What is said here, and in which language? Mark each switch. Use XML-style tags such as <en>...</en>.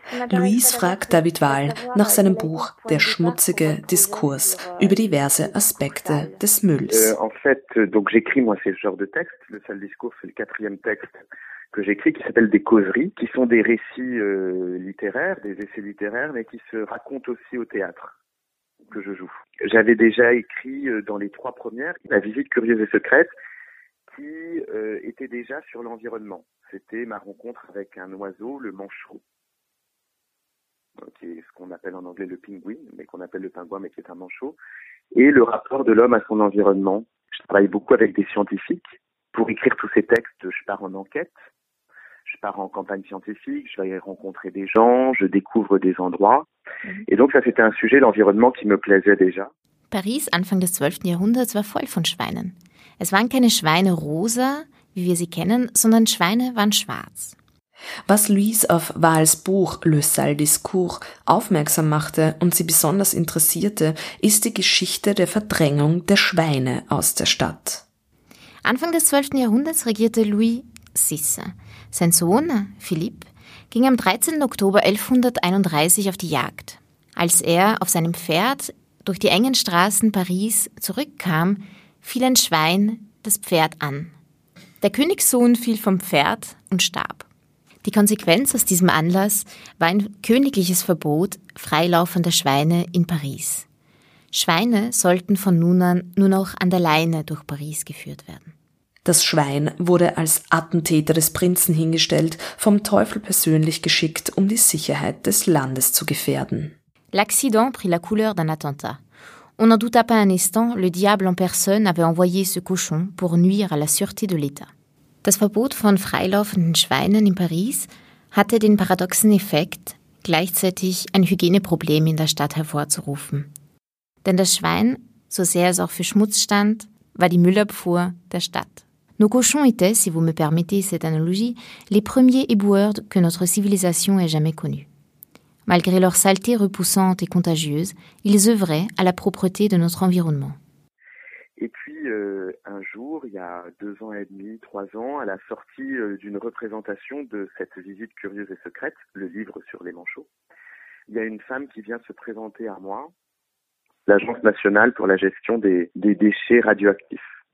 <de>Louise fragt David Wahl nach seinem Buch Der schmutzige Diskurs über diverse Aspekte des Mülls.</de> <fr>En fait, donc j'écris moi ce genre de texte, le sale discours, c'est le quatrième texte que j'écris, qui s'appelle des causeries, qui sont des récits littéraires, des essais littéraires, mais qui se racontent aussi au théâtre que je joue. J'avais déjà écrit dans les trois premières La visite curieuse et secrète, qui était déjà sur l'environnement. C'était ma rencontre avec un oiseau, le manchot, qui est ce qu'on appelle en anglais le pingouin, mais qu'on appelle le pingouin, mais qui est un manchot, et le rapport de l'homme à son environnement. Je travaille beaucoup avec des scientifiques. Pour écrire tous ces textes, je pars en enquête. Je pars en campagne scientifique, je vais rencontrer des gens, je découvre des endroits. Et donc ça, c'était un sujet, l'environnement, qui me plaisait déjà.</fr> <de>Paris, Anfang des 12. Jahrhunderts, war voll von Schweinen. Es waren keine Schweine rosa, wie wir sie kennen, sondern Schweine waren schwarz. Was Louise auf Wahls Buch Le Sale Discours aufmerksam machte und sie besonders interessierte, ist die Geschichte der Verdrängung der Schweine aus der Stadt. Anfang des 12. Jahrhunderts regierte Louis Sisse. Sein Sohn, Philippe, ging am 13. Oktober 1131 auf die Jagd. Als er auf seinem Pferd durch die engen Straßen Paris zurückkam, fiel ein Schwein das Pferd an. Der Königssohn fiel vom Pferd und starb. Die Konsequenz aus diesem Anlass war ein königliches Verbot freilaufender Schweine in Paris. Schweine sollten von nun an nur noch an der Leine durch Paris geführt werden. Das Schwein wurde als Attentäter des Prinzen hingestellt, vom Teufel persönlich geschickt, um die Sicherheit des Landes zu gefährden.</de> <fr>L'accident prit la couleur d'un attentat. On n'en douta pas un instant, le diable en personne avait envoyé ce cochon pour nuire à la sûreté de l'État.</fr> <de>Das Verbot von freilaufenden Schweinen in Paris hatte den paradoxen Effekt, gleichzeitig ein Hygieneproblem in der Stadt hervorzurufen. Denn das Schwein, so sehr es auch für Schmutz stand, war die Müllabfuhr der Stadt.</de> <fr>Nos cochons étaient, si vous me permettez cette analogie, les premiers éboueurs que notre civilisation ait jamais connus. Malgré leur saleté repoussante et contagieuse, ils œuvraient à la propreté de notre environnement. Et puis, un jour, il y a 2 ans et demi, 3 ans, à la sortie d'une représentation de cette visite curieuse et secrète, le livre sur les manchots, il y a une femme qui vient se présenter à moi, l'Agence nationale pour la gestion des déchets radioactifs.</fr>